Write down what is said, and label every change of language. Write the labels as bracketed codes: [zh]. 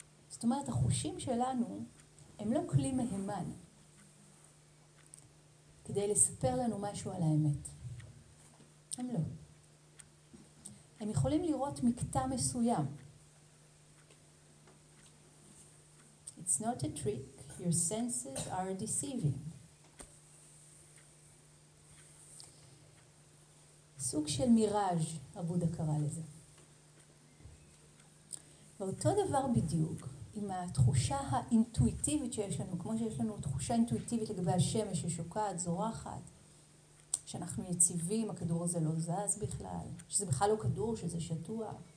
[he] זאת אומרת, החושים שלנו הם לא כלי מהימן כדי לספר לנו משהו על האמת. הם לא. הם יכולים לראות מקטע מסוים. [en] It's not a trick. Your senses are deceiving. [he] סוג של מיראז' הבודה קרא לזה. ואותו דבר בדיוק עם התחושה האינטואיטיבית שיש לנו, כמו שיש לנו תחושה אינטואיטיבית לגבי השמש ששוקעת, זורחת, שאנחנו יציבים, הכדור הזה לא זז בכלל, שזה בכלל לא כדור, שזה שטוח.